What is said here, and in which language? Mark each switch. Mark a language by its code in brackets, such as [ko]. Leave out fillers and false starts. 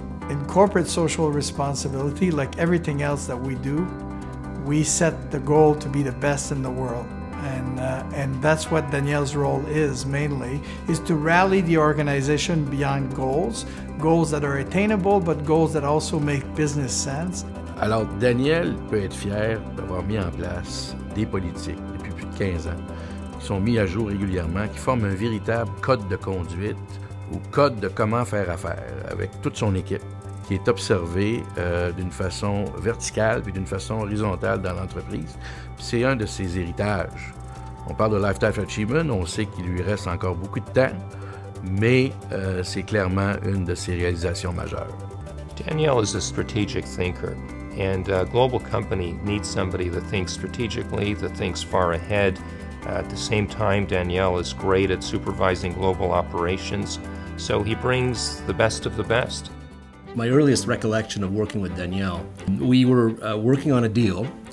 [en] In corporate social responsibility, like everything else that we do, we set the goal to be the best in the world. And that's what Danielle's role is mainly, is to rally the organization behind goals, goals that are attainable, but goals that also make business sense. [fr] Alors, Danielle peut être fière d'avoir mis en place des politiques depuis plus de 15 ans. Qui sont mis à jour régulièrement, qui forment un véritable code de conduite ou code de comment faire affaire avec toute son équipe, qui est observé d'une façon verticale puis d'une façon horizontale dans l'entreprise. Puis c'est un de ses héritages. On parle de Lifetime Achievement, on sait qu'il lui reste encore beaucoup de temps, mais c'est clairement une de ses réalisations majeures. [en] Danielle is a strategic thinker, and a global company needs somebody that thinks strategically, that thinks far ahead. At the same time, Danielle is great at supervising global operations, so he brings the best of the best. My earliest recollection of working with Danielle, we were working on a deal.